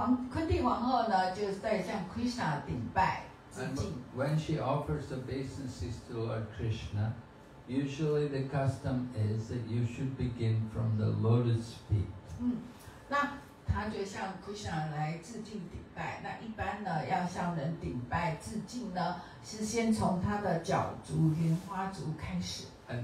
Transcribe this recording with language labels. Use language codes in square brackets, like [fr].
[zh] 昆蒂皇后呢，就是在向 Krishna 顶拜致敬。 [en] When she offers obeisances to Lord Krishna, usually the custom is that you should begin from the lotus feet. [zh] 那她就向 Krishna 来致敬顶拜。那一般呢，要向人顶拜致敬呢，是先从她的脚足莲花足开始。 [en] And